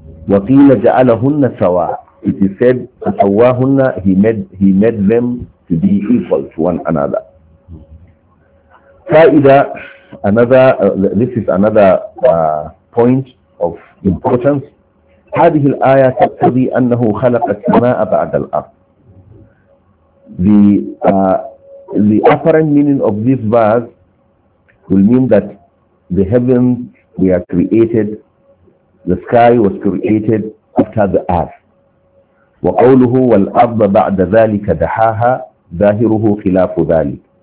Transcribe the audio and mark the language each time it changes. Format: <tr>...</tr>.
<ar>وقيل جعلهن سواء,</ar> <en>it is said فسواهن, he made them to be equal to one another. فإذا, this is another point of importance.</en> <ar>هذه الآية تقتضي أنه خلق السماء بعد الأرض.</ar> <en>The apparent meaning of this verse will mean that the heavens were created, the sky was created after the earth.</en> <ar>وقوله والأرض بعد ذلك دحاها ظاهره خلاف ذلك.</ar>